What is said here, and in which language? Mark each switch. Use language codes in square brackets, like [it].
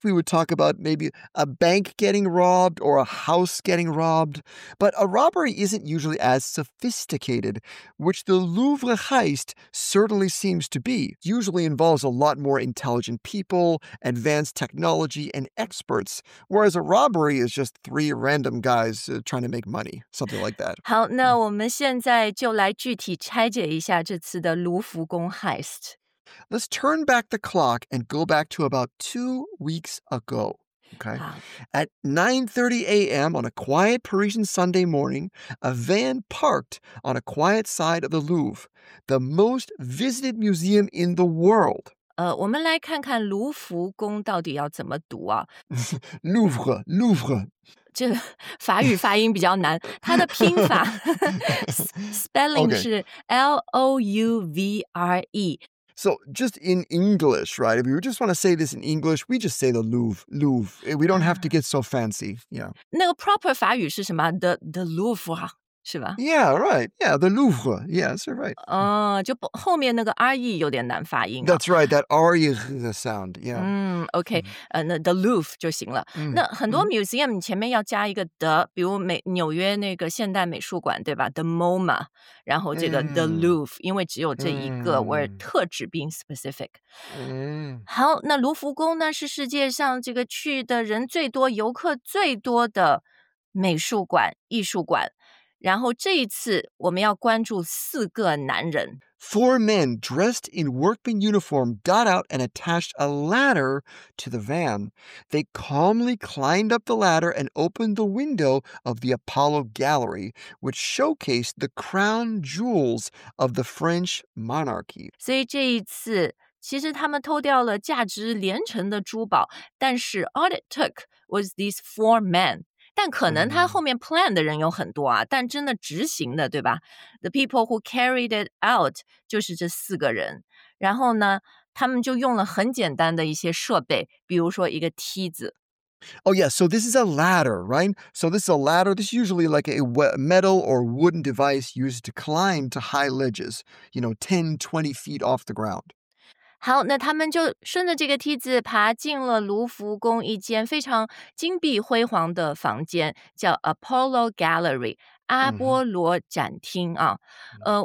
[en] We would talk about maybe a bank getting robbed or a house getting robbed, but a robbery isn't usually as sophisticated, which the Louvre heist certainly seems to be. Usually involves a lot more intelligent people, advanced technology, and experts, whereas a robbery is just three random guys trying to make money, something like that. [zh] 好，那我们现在就来具体拆解一下这次的卢浮宫 heist。 [en] Let's turn back the clock and go back to about 2 weeks ago, okay? At 9:30 a.m. on a quiet Parisian Sunday morning, a van parked on a quiet side of the Louvre, the most visited museum in the world. [zh] 我们来看看卢浮宫到底要怎么读啊。 [en] Louvre, Louvre. [zh] 这法语发音比较难。它的拼法spelling 是 L-O-U-V-R-E. [en] So just in English, right? If you just want to say this in English, we just say the Louvre, Louvre. We don't have to get so fancy, yeah. [zh] 那个 proper 法语是什么 the Louvre, 是吧 [en] Yeah, right. Yeah, the Louvre. Yeah, that's right. [zh] 就后面那个 R-E 有点难发音。 [en] That's right, that R-E sound, yeah. [zh] Okay, mm-hmm. 那 the Louvre 就行了。Mm-hmm. 那很多 museum 前面要加一个 the, 比如纽约那个现代美术馆，对吧 ?The MoMA, 然后这个 the Louvre, 因为只有这一个 word 特指 [en] being specific. [zh] 好，那卢浮宫呢是世界上这个去的人最多、游客最多的美术馆、艺术馆。然后这一次我们要关注四个男人。 [en] Four men dressed in workman uniform got out and attached a ladder to the van. They calmly climbed up the ladder and opened the window of the Apollo Gallery, which showcased the crown jewels of the French monarchy. [zh] 所以这一次，其实他们偷掉了价值连城的珠宝，但是 [en] all it took was these four men. [zh] 但可能他后面 plan 的人有很多啊、mm-hmm. 但真的执行的对吧 [en] The people who carried it out [zh] 就是这四个人。然后呢他们就用了很简单的一些设备比如说一个梯子。 [en] Oh yeah, so this is a ladder, right? So this is a ladder, this is usually like a metal or wooden device used to climb to high ledges, you know, 10, 20 feet off the ground. [zh] 好，那他们就顺着这个梯子爬进了卢浮宫一间非常金碧辉煌的房间，叫 Apollo Gallery, 阿波罗展厅啊。Mm-hmm.